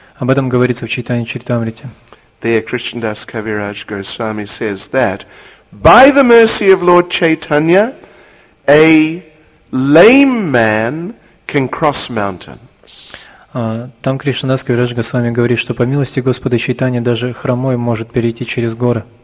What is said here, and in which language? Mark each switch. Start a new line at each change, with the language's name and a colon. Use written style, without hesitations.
Russian: Об этом говорится в Чайтанья Чаритамрите.
English: There Krishnadas Kaviraj Goswami says that by the mercy of Lord Chaitanya, a lame man can cross mountains.
Russian: Там Кришнадас Кавирадж Госвами говорит, что по милости Господа Чайтанья даже хромой может перейти через горы.